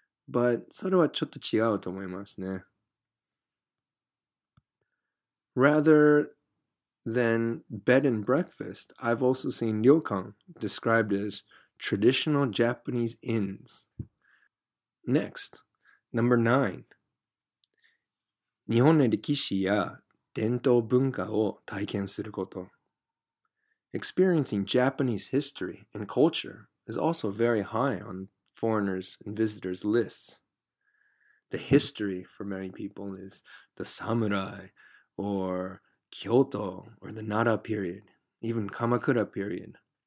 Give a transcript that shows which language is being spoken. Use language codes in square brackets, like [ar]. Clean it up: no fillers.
[ja] But それはちょっと違うと思いますね。 [en] Rather than bed and breakfast, I've also seen ryokan described as traditional Japanese inns. Next, number 9. [ja] 日本の歴史や伝統文化を体験すること。 [en] Experiencing Japanese history and culture is also very high on foreigners and visitors' lists. The history for many people is the samurai or Kyoto or the Nara period, even Kamakura period.